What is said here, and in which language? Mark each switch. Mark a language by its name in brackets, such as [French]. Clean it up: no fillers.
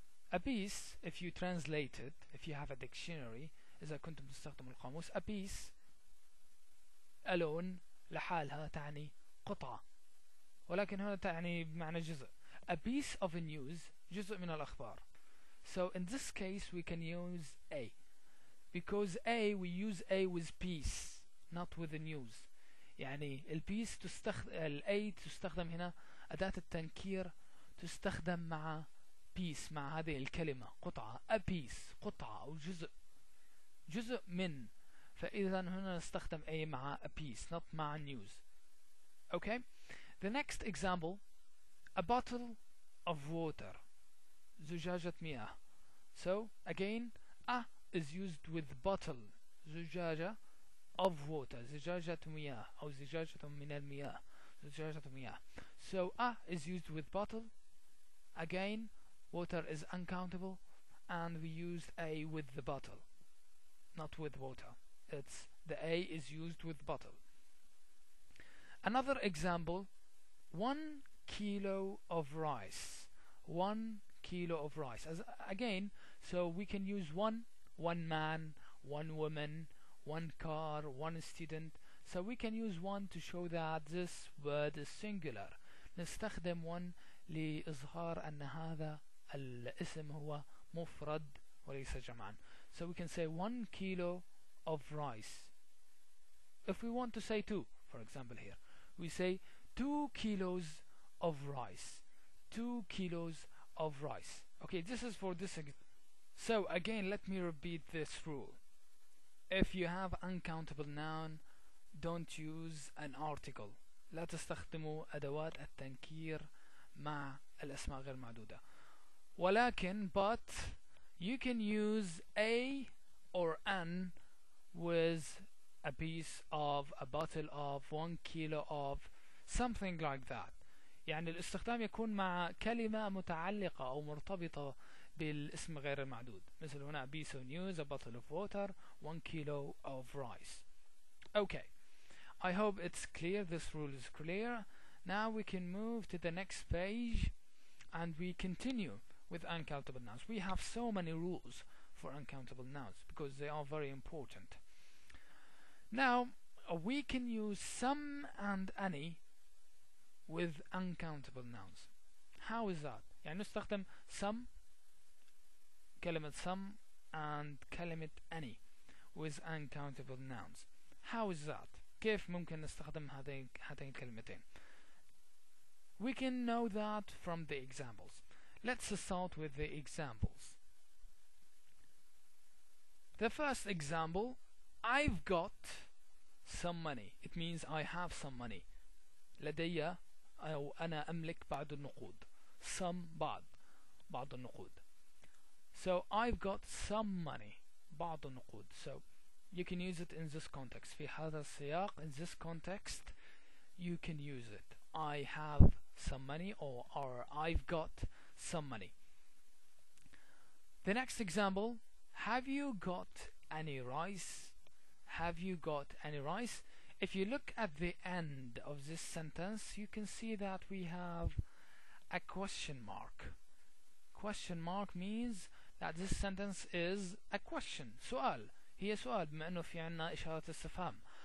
[English] A piece, if you translate it, if you have a dictionary, [Arabic] إذا كنت مستخدم القاموس, [English] a piece alone [Arabic] لحالها تعني قطعة. ولكن هنا تعني بمعنى جزء. [English] A piece of news, [Arabic] جزء من الأخبار. [English] So in this case we can use A. Because A, we use A with piece, not with the news. [Arabic] يعني البيس تستخدم, الA تستخدم هنا أداة التنكير تستخدم مع piece, مع هذه الكلمة قطعة. A piece, قطعة أو جزء, جزء من. فإذا هنا نستخدم A مع a piece, not مع news. Okay. [English] The next example, a bottle of water, [Arabic] زجاجة مياه. [English] So again, a is used with bottle, زجاجة, of water, [Arabic] زجاجة مياه أو زجاجة من المياه, زجاجة مياه. [English] So a is used with bottle. Again, water is uncountable, and we used a with the bottle, not with water. It's the a is used with bottle. Another example. 1 kilo of rice. 1 kilo of rice. As again, so we can use one man, one woman, one car, one student. So we can use one to show that this word is singular. [Arabic] نستخدم one لإظهار أن هذا الاسم هو مفرد وليس جمعا. [English] So we can say 1 kilo of rice. If we want to say two, for example here, we say 2 kilos of rice. 2 kilos of rice. Okay, this is for this. So again, let me repeat this rule. If you have uncountable noun, don't use an article. [Arabic] لا تستخدموا أدوات التنكير مع الأسماء غير معدودة. [English] ولكن but you can use a or an with a piece of, a bottle of, 1 kilo of, something like that. [Arabic] يعني الاستخدام يكون مع كلمة متعلقة أو مرتبطة بالاسم غير المعدود. مثل هنا [English] a piece of news, a bottle of water, 1 kilo of rice. Okay. I hope it's clear. This rule is clear. Now we can move to the next page and we continue with uncountable nouns. We have so many rules for uncountable nouns because they are very important. Now, we can use some and any with uncountable nouns. How is that? يعني نستخدم some, كلمة some, and كلمة any with uncountable nouns. How is that? [Arabic] كيف ممكن نستخدم هاتين الكلمتين؟ [English] We can know that from the examples. Let's start with the examples. The first example, I've got some money. It means I have some money. [Arabic] لدي أو أنا أملك بعض النقود. Some, بعض النقود. [English] So I've got some money. [Arabic] بعض النقود. [English] So you can use it in this context. [Arabic] في هذا السياق, [English] in this context, you can use it. I have some money or I've got some money. The next example, have you got any rice? Have you got any rice? If you look at the end of this sentence, you can see that we have a question mark. Question mark means that this sentence is a question. [Arabic] سؤال. هي سؤال بما أنه في عنا إشارة استفهام.